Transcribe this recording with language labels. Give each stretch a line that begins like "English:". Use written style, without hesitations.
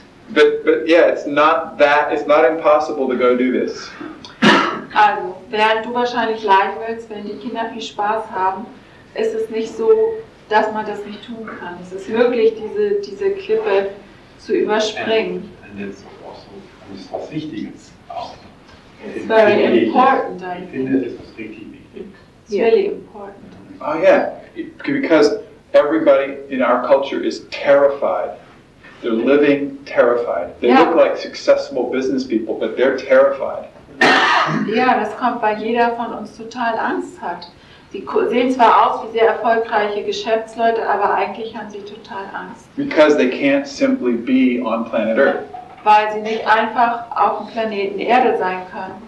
English: But yeah, it's not impossible to go do this.
German: Also, während du wahrscheinlich leiden willst, wenn die Kinder viel Spaß haben, ist es nicht so, dass man das nicht tun kann. Es ist wirklich diese Klippe zu überspringen.
English: And it's also,
German: das ist was Wichtiges auch.
English: It's very important, I think.
German: Ich finde, es ist richtig wichtig.
English: It's really important. Oh yeah, because everybody in our culture is terrified. They're living terrified. They look like successful business people, but they're terrified.
German: Ja, das kommt, weil jeder von uns total Angst hat. Sie sehen zwar aus wie sehr erfolgreiche Geschäftsleute, aber eigentlich haben sie total Angst.
English: Because they can't simply be on planet Earth.
German: Weil sie nicht einfach auf dem Planeten Erde sein können.